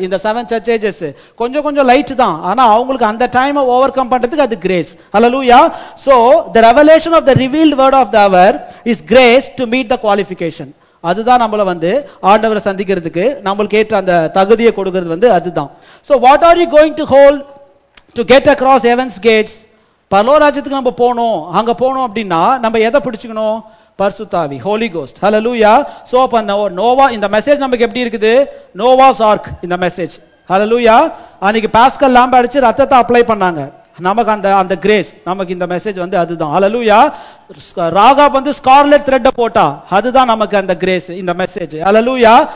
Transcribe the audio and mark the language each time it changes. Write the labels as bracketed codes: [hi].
[ta] இந்த seven search ages கொஞ்சம் கொஞ்சம் லைட் தான், ஆனா அவங்களுக்கு அந்த டைமை ஓவர் கம் பண்றதுக்கு அது grace. Hallelujah. [en] So the revelation of the revealed word of the hour is grace to meet the qualification. [ta] அதுதான் நம்மள வந்து ஆண்டவரை சந்திக்கிறதுக்கு நம்மளுக்கு ஏற்ற அந்த தகுதியை கொடுக்கிறது வந்து அதுதான். [en] So what are you going to hold to get across heaven's gates? [ta] பரலோகத்துக்கு நம்ம போணும், அங்க போணும் அப்படினா நம்ம எதை பிடிச்சுக்கணும்? பரிசுத்தாவி, ஹோலி கோஸ்ட். ஹல்லேலூயா. So நோவா இந்த மெசேஜ் நமக்கு எப்படி இருக்குது? நோவாஸ் ஆர்க் இந்த மெசேஜ். ஹல்லேலூயா. அன்னைக்கு பாஸ்கல் லாம்ப் அடிச்சு ரத்தத்தை அப்ளை பண்ணாங்க. நமக்கு அந்த அந்த கிரேஸ், நமக்கு இந்த மெசேஜ் வந்து அதுதான். ஹல்லேலூயா. ராகாப் வந்து ஸ்கார்லெட் த்ரெட் போட்டா, அதுதான் நமக்கு அந்த கிரேஸ், இந்த மெசேஜ். ஹல்லேலூயா.